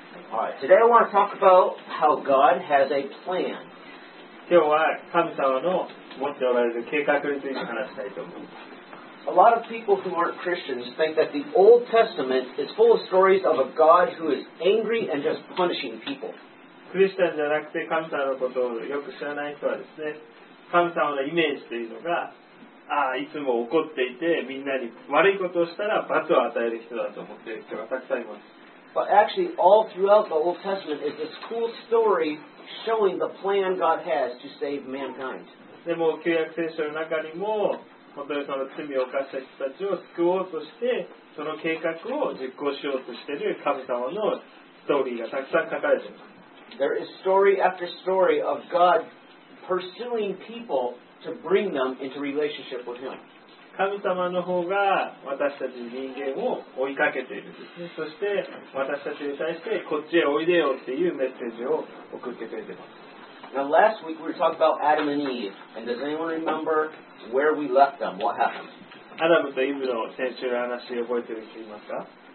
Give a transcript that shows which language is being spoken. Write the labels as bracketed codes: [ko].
[en] Alright, today I want to talk about how God has a plan. A lot of people who aren't Christians think that the Old Testament is full of stories of a God who is angry and just punishing people. [ja] クリスチャンじゃなくて神様のことをよく知らない人はですね、神様のイメージというのが、いつも怒っていて、みんなに悪いことをしたら罰を与える人だと思っている人がたくさんいます。 [en] But actually, all throughout the Old Testament is this cool story showing the plan God has to save mankind. [ja] でも、旧約聖書の中にも、本当にその罪を犯した人たちを救おうとして、その計画を実行しようとしている神様のストーリーがたくさん書かれています。 [en] There is story after story of God pursuing people to bring them into relationship with Him. [ja] 神様の方が私たち人間を追いかけているんですね。そして私たちに対してこっちへおいでよっていうメッセージを送ってくれてます。 [en] Now last week we were talking about Adam and Eve. And does anyone remember where we left them? What happened? [ja] アダムとイブの先週の話覚えてる人いますか？